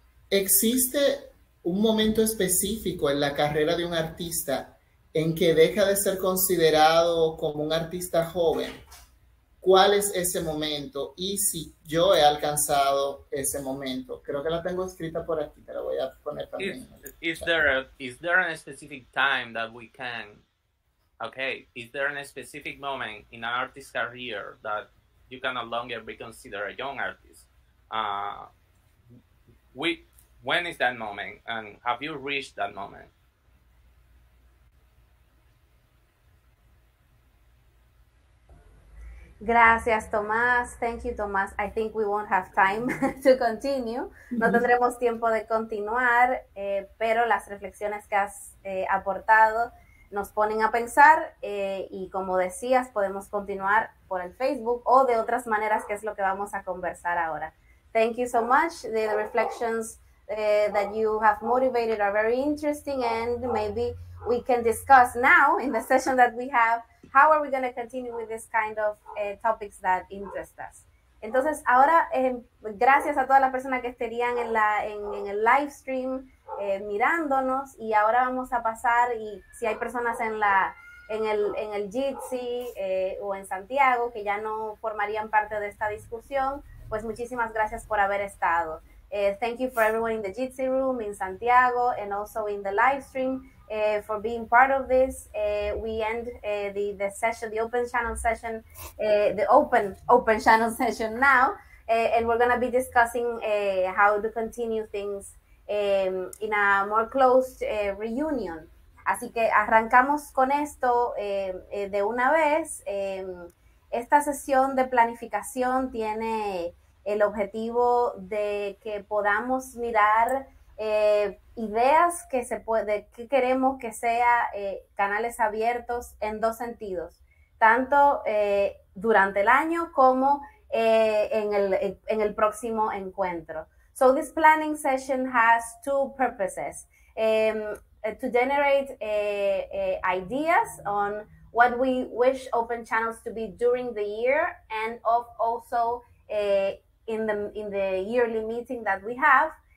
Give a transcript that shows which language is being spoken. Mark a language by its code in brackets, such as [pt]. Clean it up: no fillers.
[es] ¿Existe un momento específico en la carrera de un artista en que deja de ser considerado como un artista joven? ¿Cuál es ese momento? ¿Y si yo he alcanzado ese momento? Creo que la tengo escrita por aquí, pero voy a poner también. [en] Is there a specific time that we can... Okay, is there a specific moment in an artist's career that you can no longer be considered a young artist? When is that moment, and have you reached that moment? [es] Gracias, [en] Tomás. Thank you, Tomás. I think we won't have time to continue. [es] No tendremos tiempo de continuar, pero las reflexiones que has aportado nos ponen a pensar, y como decías, podemos continuar por el Facebook o de otras maneras, que es lo que vamos a conversar ahora. [en] Thank you so much. The reflections that you have motivated are very interesting, and maybe we can discuss now in the session that we have, how are we going to continue with this kind of topics that interest us. [es] Entonces, ahora, gracias a todas las personas que estarían en el live stream mirándonos, y ahora vamos a pasar, y si hay personas en el Jitsi o en Santiago que ya no formarían parte de esta discusión, pues muchísimas gracias por haber estado. [en] Thank you for everyone in the Jitsi room in Santiago and also in the live stream for being part of this. We end the session, the open channel session, the open channel session now, and we're going to be discussing how to continue things in a more closed reunion. [es] Así que arrancamos con esto de una vez. Esta sesión de planificación tiene el objetivo de que podamos mirar ideas que se puede, que queremos que sea Canales Abiertos en dos sentidos, tanto durante el año como en el próximo encuentro. [en] So this planning session has two purposes, to generate ideas on what we wish open channels to be during the year, and of also in the yearly meeting that we have.